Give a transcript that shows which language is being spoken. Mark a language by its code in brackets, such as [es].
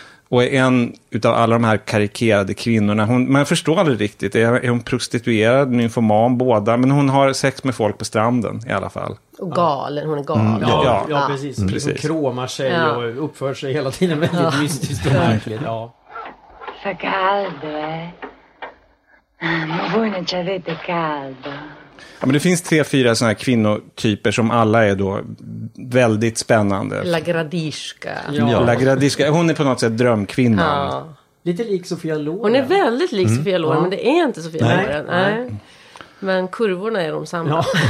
[sv] Och en utav alla de här karikerade kvinnorna, man förstår aldrig riktigt, är hon prostituerad, nymfoman, båda, men hon har sex med folk på stranden i alla fall. Och galen, hon är galen. Ja, precis. Precis. Hon kromar sig och uppför sig hela tiden väldigt mystiskt och märkligt. [it] Fa caldo, voi non ci avete caldo. [sv] Ja, men det finns 3-4 såna här kvinnotyper som alla är då väldigt spännande. La Gradisca. Ja. La Gradisca. Hon är på något sätt drömkvinnan. Ja. Lite lik Sofia Loren. Hon är väldigt lik Sofia Loren, men det är inte Sofia Loren. Nej. Men kurvorna är de samma.